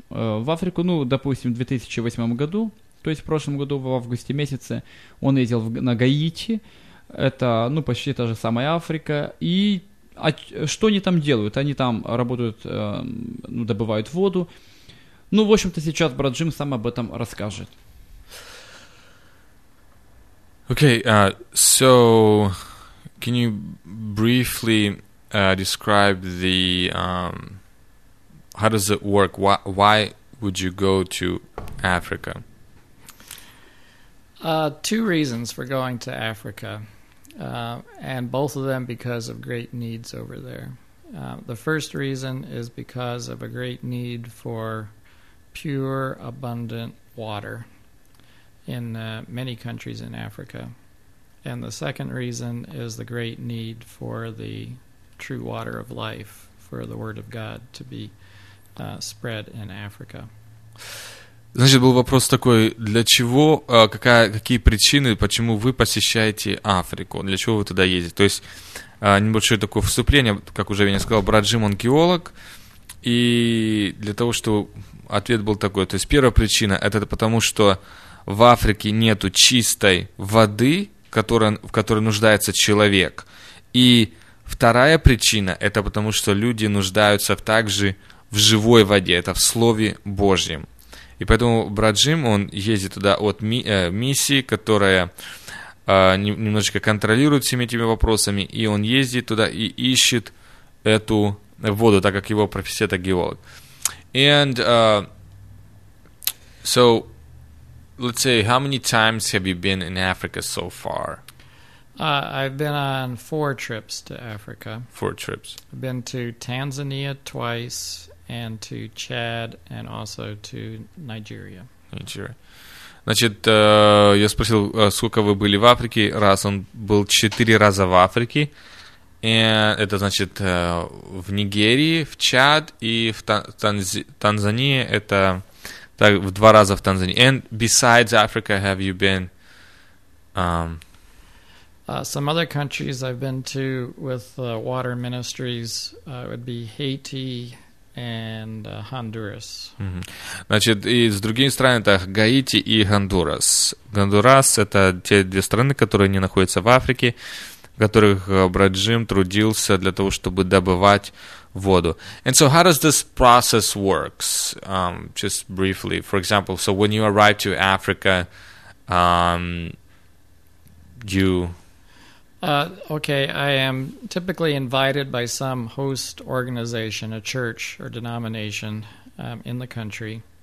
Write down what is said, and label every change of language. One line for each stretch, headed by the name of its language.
Russian: В Африку, ну, допустим, в 2008 году, то есть в прошлом году, в августе месяце, он ездил на Гаити, это, ну, почти та же самая Африка, и что они там делают? Они там работают, добывают воду. Ну, в общем-то, сейчас брат Джим сам об этом расскажет.
English: Okay, so can you briefly describe the how does it work? Why would you go to Africa? Two reasons for going to Africa, and both of them because of great needs over there. The first reason is because of a great need for pure, abundant water in many countries in Africa. And the second reason is the great need for the true water of life, for the Word of God to be spread in Africa.
Russian: Значит, был вопрос такой: для чего, какие причины, почему вы посещаете Африку, для чего вы туда ездите? То есть небольшое такое вступление, как уже я сказал, брат Джим, он геолог, и для того, чтобы ответ был такой, то есть первая причина, это потому, что в Африке нету чистой воды, в которой нуждается человек, и вторая причина, это потому, что люди нуждаются также в живой воде, это в Слове Божьем. И поэтому брат Джим, он ездит туда от миссии, которая немножечко контролирует всеми этими вопросами, и он ездит туда и ищет эту воду, так как его профессия – это геолог.
English: And so, let's say, how many times have you been in Africa so far? I've been on 4 trips to Africa. 4 trips. I've been to Tanzania twice, and to Chad, and also to Nigeria. Nigeria.
Russian: Значит, я спросил, сколько вы были в Африке. Раз, он был 4 раза в Африке. И это значит, в Нигерии, в Чад и в Танзании. Это так, в 2 раза в Танзании.
English: And besides Africa, have you been... Some other countries I've been to with water ministries would be Haiti... And Honduras. Mm-hmm.
Russian: Значит, и с другими странами, это Гаити и Гондурас. Гондурас – это те две страны, которые не находятся в Африке, в которых брат Джим трудился для того, чтобы добывать воду.
English: And so, how does this process works? Just briefly, for example, so when you arrive to Africa, you... Okay, I am typically invited by some host organization, a church or denomination in the country.